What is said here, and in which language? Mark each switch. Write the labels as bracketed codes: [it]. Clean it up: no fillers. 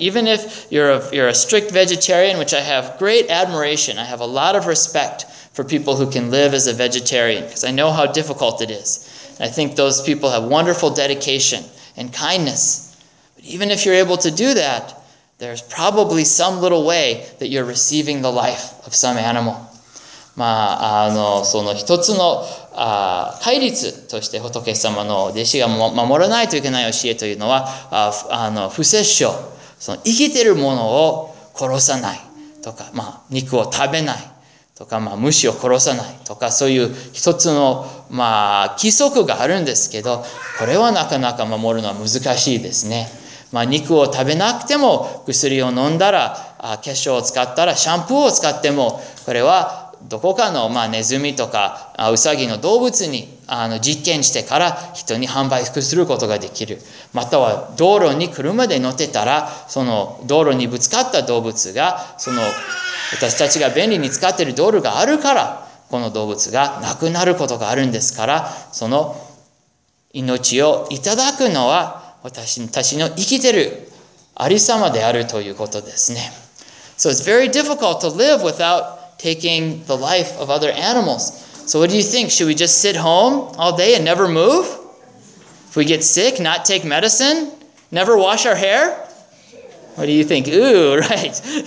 [en] Even if you're a strict vegetarian, which I have great admiration, I have a lot of respect for people who can live as a vegetarian, because I know how difficult it is. And I think those people have wonderful dedication and kindness. But even if you're able to do that, there's probably some little way that you're receiving the life of some animal. [ja] まあ、その一つの、戒律として仏様の弟子が守らないといけない教えというのは、不殺生、その生きているものを殺さないとか、まあ、肉を食べないとか、まあ、虫を殺さないとか、そういう一つの、まあ、規則があるんですけど、これはなかなか守るのは難しいですね。まあ、肉を食べなくても薬を飲んだら、化粧を使ったら、シャンプーを使っても、これはどこかの、まあ、ネズミとか、ウサギの動物に、実験してから人に販売することができる。または、道路に車で乗ってたら、その道路にぶつかった動物が、その私たちが便利に使っている道路があるから、この動物が亡くなることがあるんですから、その命をいただくのは、私の生きているありさまであるということですね。 [en] So it's very difficult to live without taking the life of other animals. So what do you think? Should we just sit home all day and never move? If we get sick, not take medicine? Never wash our hair? What do you think? Ooh, right.